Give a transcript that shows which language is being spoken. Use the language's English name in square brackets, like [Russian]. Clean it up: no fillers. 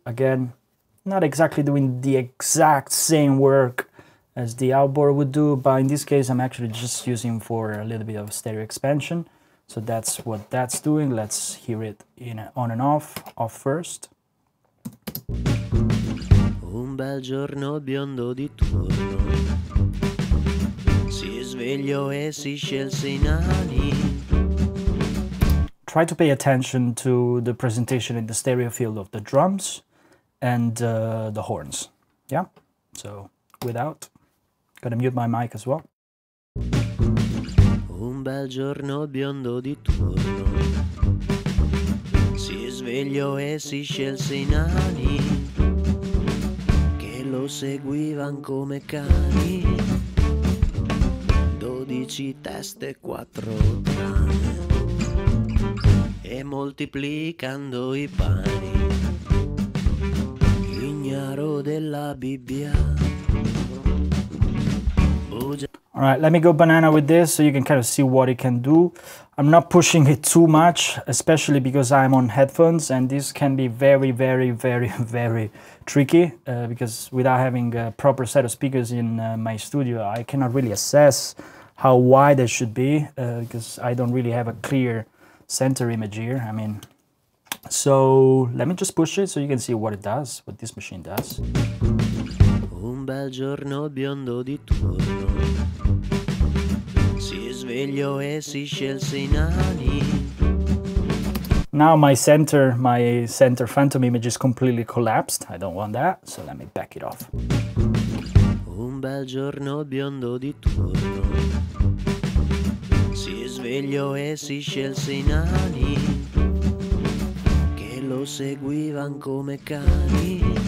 [English] Again, not exactly doing the exact same work as the outboard would do, but in this case, I'm actually just using for a little bit of stereo expansion. So that's what that's doing. Let's hear it in on and off, off first. [Italian] Un bel giorno biondo di turno si svegliò e si scelse i nani. [English] Try to pay attention to the presentation in the stereo field of the drums and the horns. Yeah, so without, gotta mute my mic as well. [Italian] Un bel giorno biondo di turno si svegliò e si scelse i nani che lo seguivan come cani. 12 teste, 4 cani, e moltiplicando i pani, ignaro della Bibbia. [English] All right, let me go banana with this so you can kind of see what it can do. I'm not pushing it too much, especially because I'm on headphones, and this can be very, very, very, very tricky because without having a proper set of speakers in my studio, I cannot really assess how wide it should be because I don't really have a clear center image here. I mean, so let me just push it so you can see what it does, what this machine does. [Italian] Un bel giorno biondo di turno si svegliò e si scelse i nani. [English] Now my center phantom image is completely collapsed. I don't want that, so let me back it off. [Italian] Un bel giorno biondo di turno si svegliò e si scelse i nani che lo seguivan come cani.